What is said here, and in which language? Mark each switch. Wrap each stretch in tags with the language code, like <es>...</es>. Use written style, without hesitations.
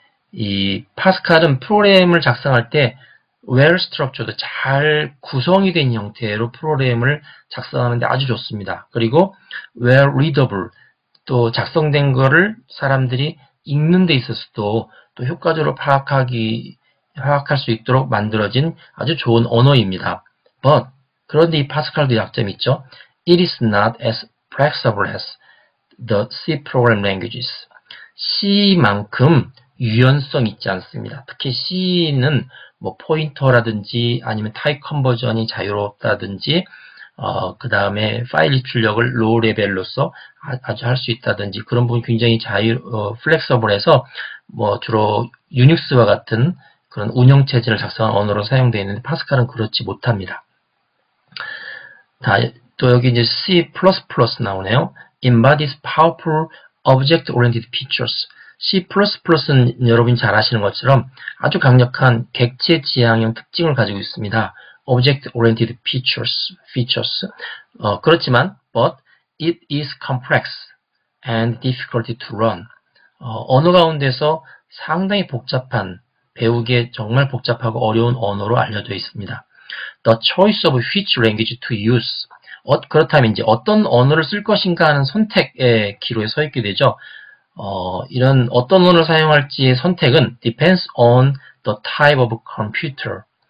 <ko>이 파스칼은 프로그램을 작성할 때 well structured 잘 구성이 된 형태로 프로그램을 작성하는데 아주 좋습니다. 그리고 well readable 또 작성된 거를 사람들이 읽는 데 있어서도 또 효과적으로 파악할 수 있도록 만들어진 아주 좋은 언어입니다. But 그런데 이 파스칼도 약점이 있죠.</ko> <en>It is not as flexible as the C program languages.</en> <ko>C만큼 유연성 있지 않습니다. 특히 C는 뭐 포인터라든지 아니면 타입 컨버전이 자유롭다든지 그 다음에 파일 입출력을 로우 레벨로서 아주 할 수 있다든지 그런 부분 굉장히 플렉서블해서 뭐 주로 유닉스와 같은 그런 운영체제를 작성한 언어로 사용되어 있는데 파스칼은 그렇지 못합니다. 자, 또 여기 이제 C++ 나오네요.</ko> <en>Embodies powerful object-oriented features.</en> <ko>C++는 여러분이 잘 아시는 것처럼 아주 강력한 객체 지향형 특징을 가지고 있습니다.</ko> <en>Object-oriented features. But it is complex and difficult to run.</en> <ko>언어 가운데서 상당히 복잡한, 배우기에 정말 복잡하고 어려운 언어로 알려져 있습니다.</ko> <en>The choice of which language to use.</en> <ko>그렇다면 이제 어떤 언어를 쓸 것인가 하는 선택의 기로에 서 있게 되죠. 이런 어떤 언어를 사용할지의 선택은</ko> <en>depends on the type of computer.</en>